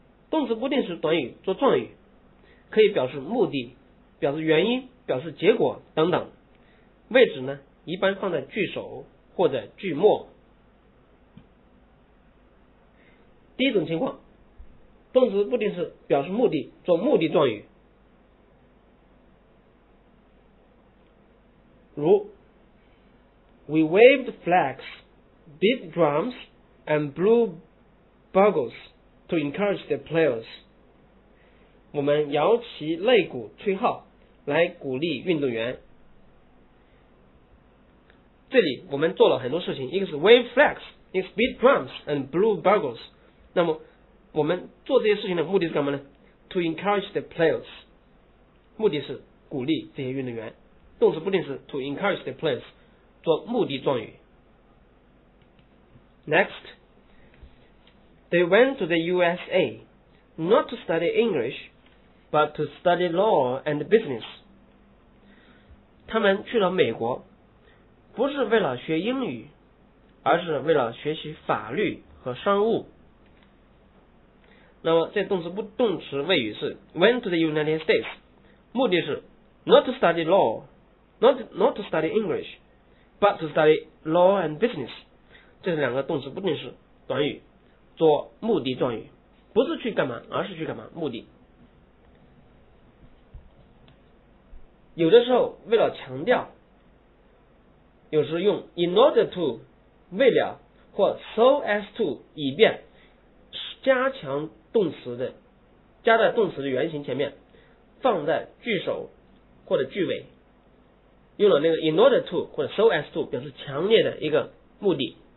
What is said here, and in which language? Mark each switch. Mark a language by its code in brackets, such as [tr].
[zh] 动词不定式短语做状语，可以表示目的、表示原因、表示结果等等。位置呢，一般放在句首或者句末。第一种情况，动词不定式表示目的，做目的状语。 [en] 如 We waved flags, beat drums, and blew bugles to encourage the players. [zh] 我们摇旗擂鼓吹号来鼓励运动员。这里我们做了很多事情，一个是 wave flags, 一个是 beat drums and blew bugles。那么我们做这些事情的目的是干嘛呢？ To encourage the players，目的是鼓励这些运动员。动词不定式 to encourage the players 做目的状语。 [en] Next， They went to the USA not to study English but to study law and business。 [zh] 他们去了美国不是为了学英语，而是为了学习法律和商务。那么这动词谓语是 went to the United States，目的是 not to study law， not to study English but to study law and business。这是两个动词不定式短语做目的状语，不是去干嘛，而是去干嘛，目的。有的时候为了强调，有时用 in order to 为了，或 so as to 以便，加强动词的，加在动词的原型前面，放在句首或者句尾，用了那个 in order to 或者 so as to 表示强烈的一个目的。